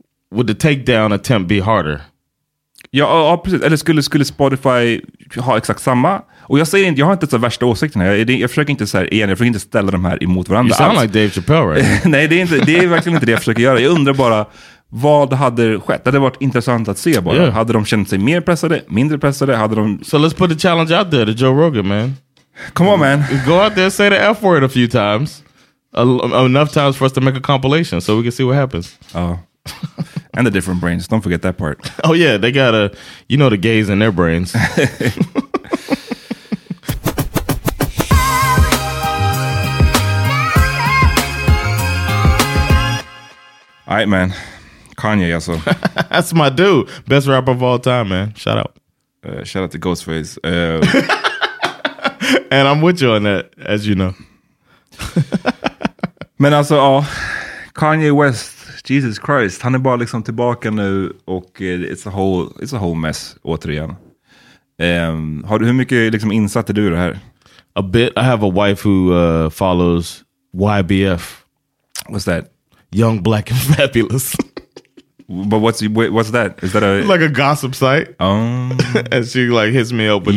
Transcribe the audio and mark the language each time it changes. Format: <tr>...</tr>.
<en>would the takedown attempt be harder?</en> <sv>Ja, precis. Eller skulle Spotify ha exakt samma? Och jag säger inte, jag har inte så värsta åsikten här. Jag försöker inte så här, igen, jag försöker inte ställa de här emot varandra.</sv> <en>You sound alls like Dave Chappelle, right?</en> <sv>Nej, det är verkligen inte det jag försöker göra. Jag undrar bara, vad hade skett? Det hade varit intressant att se bara. Yeah. Hade de känt sig mer pressade, mindre pressade? Hade de...</sv> <en>So let's put the challenge out there to Joe Rogan, man. Come on, man. Go out there, say the F word a few times. Enough times for us to make a compilation so we can see what happens. Oh. And the different brains. Don't forget that part. Oh, yeah. They got a, you know, the gays in their brains. All right, man. Kanye, also. That's my dude. Best rapper of all time, man. Shout out. Shout out to Ghostface. And I'm with you on that, as you know.</en> <sv>Men alltså, ja, Kanye West, Jesus Christ, han är bara liksom tillbaka nu och</sv> <en>it's a whole mess</en> <sv>återigen. Hur mycket liksom insatt är du i det här?</sv> <en>A bit. I have a wife who follows YBF. What's that? Young Black and Fabulous. But what's that? Is that a like a gossip site? And she like hits me up with</en>